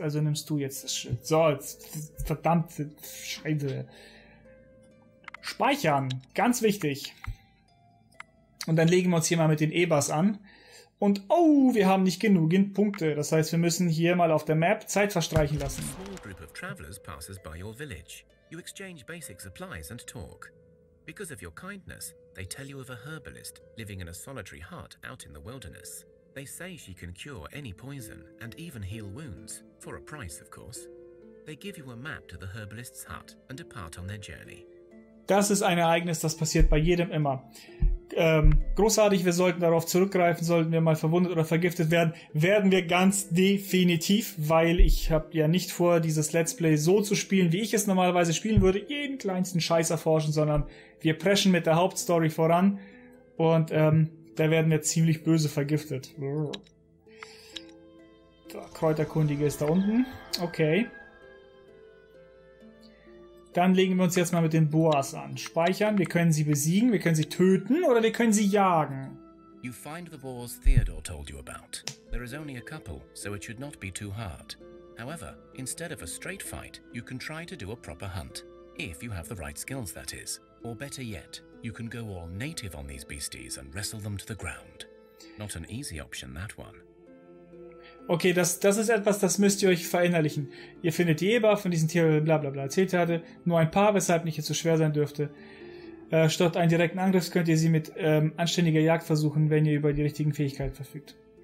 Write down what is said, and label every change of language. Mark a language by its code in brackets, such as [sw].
[de] Also nimmst du jetzt das Schild. So, verdammt. Scheiße. Speichern. Ganz wichtig. Und dann legen wir uns hier mal mit den Ebers an. Und oh, wir haben nicht genügend Punkte. Das heißt, wir müssen hier mal auf der Map Zeit verstreichen lassen. [en] A small group of travelers passes by your village. You exchange basic supplies and talk. Because of your kindness, they tell you of a herbalist living in a solitary hut out in the wilderness. They say she can cure any poison and even heal wounds, for a price, of course. They give you a map to the herbalist's hut and depart on their journey. [de] Das ist ein Ereignis, das passiert bei jedem immer. Großartig, wir sollten darauf zurückgreifen, sollten wir mal verwundet oder vergiftet werden, werden wir ganz definitiv, weil ich habe ja nicht vor, dieses Let's Play so zu spielen, wie ich es normalerweise spielen würde, jeden kleinsten Scheiß erforschen, sondern wir preschen mit der Hauptstory voran und da werden wir ziemlich böse vergiftet. Der Kräuterkundige ist da unten, okay. Dann legen wir uns jetzt mal mit den Boas an. Speichern, wir können sie besiegen, wir können sie töten oder wir können sie jagen. [en] You find the boars Theodore told you about. There is only a couple, so it should not be too hard. However, instead of a straight fight, you can try to do a proper hunt. If you have the right skills, that is. Or better yet, you can go all native on these beasties and wrestle them to the ground. Not an easy option, that one. [de] Okay, das ist etwas, das müsst ihr euch verinnerlichen. Ihr findet die Eber von diesen Tieren, blablabla, erzählt hatte. Nur ein paar, weshalb nicht jetzt so schwer sein dürfte. Statt einen direkten Angriff könnt ihr sie mit anständiger Jagd versuchen, wenn ihr über die richtigen Fähigkeiten verfügt.